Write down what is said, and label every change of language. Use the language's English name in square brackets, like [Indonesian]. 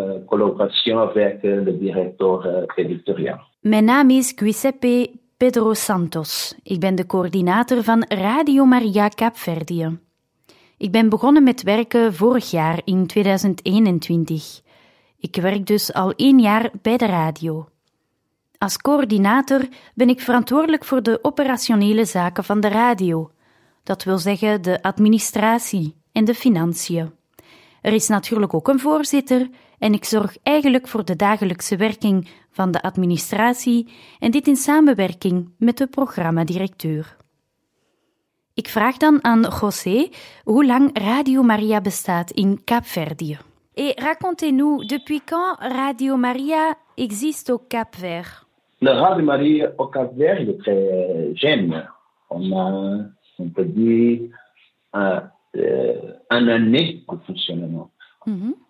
[French] Collaboration avec le directeur éditorial. Mon nom est Giuseppe Pedro Santos. [Dutch] Ik ben de coördinator van Radio Maria Kaapverdië. Ik ben begonnen met werken vorig jaar in 2021. Ik werk dus al 1 jaar bij de radio. Als coördinator ben ik verantwoordelijk voor de operationele zaken van de radio. Dat wil zeggen de administratie en de financiën. Er is natuurlijk ook een voorzitter en ik zorg eigenlijk voor de dagelijkse werking van de administratie en dit in samenwerking met de programmadirecteur. Ik vraag dan aan José hoe lang Radio Maria bestaat in Kaapverdië. [French] Et racontez-nous, depuis quand Radio Maria existe au Cap-Vert? La Radio Maria au Cap-Vert est très jeune. On peut dire une année de fonctionnement. Mm-hmm.